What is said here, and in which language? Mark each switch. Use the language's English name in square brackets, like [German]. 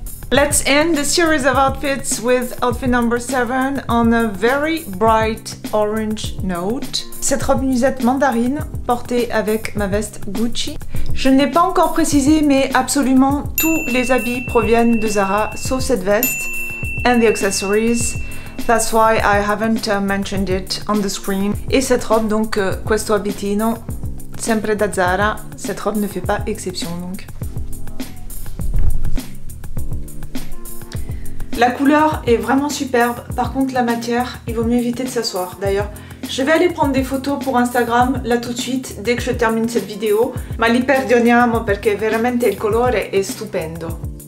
[English] Let's end the series of outfits with outfit number 7 on a very bright orange note. [French] Cette robe nuisette mandarine portée avec ma veste Gucci. Je ne l'ai pas encore précisé, mais absolument tous les habits proviennent de Zara, sauf cette veste [English] and the accessories. That's why I haven't mentioned it on the screen. [French] Et cette robe donc, [Italian] questo abitino, sempre da Zara. [French] Cette robe ne fait pas exception donc. La couleur est vraiment superbe, par contre la matière, il vaut mieux éviter de s'asseoir d'ailleurs. Je vais aller prendre des photos pour Instagram, là tout de suite, dès que je termine cette vidéo. [Italian] Ma li perdoniamo perché veramente il colore è stupendo.